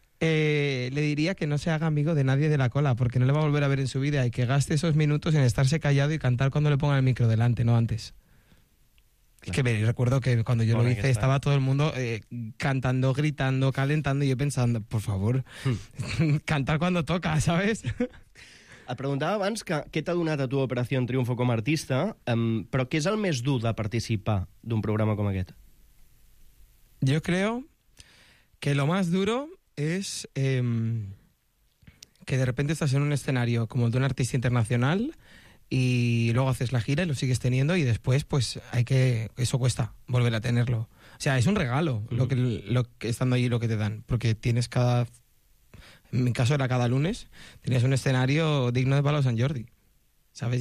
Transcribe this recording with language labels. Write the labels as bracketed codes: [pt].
[es] Le diría que no se haga amigo de nadie de la cola, porque no le va a volver a ver en su vida y que gaste esos minutos en estarse callado y cantar cuando le pongan el micro delante, no antes. Claro. Es que recuerdo que cuando yo lo hice estaba todo el mundo cantando, gritando, calentando y yo pensando, por favor, cantar cuando toca, ¿sabes? [ca] Et preguntava abans què t'ha donat a tu Operación Triunfo com a artista, però què és el més dur de participar d'un programa com aquest? [es] Yo creo que lo más duro es que de repente estás en un escenario como el de un artista internacional y luego haces la gira y lo sigues teniendo y después pues hay que, eso cuesta volver a tenerlo, o sea, es un regalo lo que estando allí lo que te dan, porque tienes cada, en mi caso era cada lunes, tienes un escenario digno de Palau Sant Jordi. ¿sabes?